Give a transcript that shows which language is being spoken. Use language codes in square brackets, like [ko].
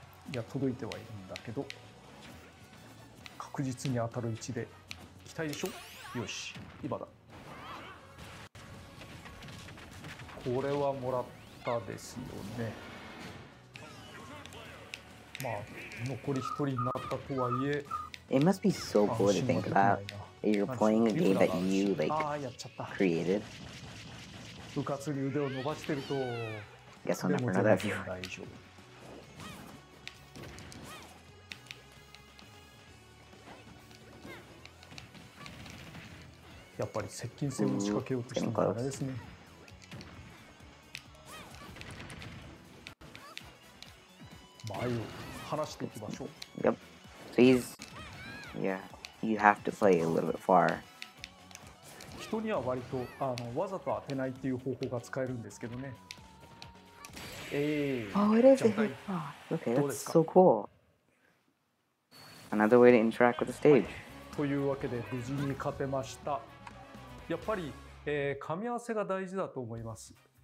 [ja] いや届いてはいるんだけど、確実に当たる位置で期待でしょ。よし今だ。これはもらったですよね。まあ残り一人になったとはいえ、 [en] It must be so cool to think about you're playing a game that you like created. [ja] うかつに腕を伸ばしてると、いやそんなことないよ。大丈夫。やっぱり接近戦を仕掛けようとしてるからですね。前を離しておきましょう。 [en] Yep. Please. Yeah. You have to play a little bit far. [ja] 人には割とあのわざと当てないっていう方法が使えるんですけどね。 [en] Oh, it is. Okay, that's so cool. Another way to interact with the stage. [ja] というわけで無事に勝てました。やっぱり、噛み合わせが大事だと思います。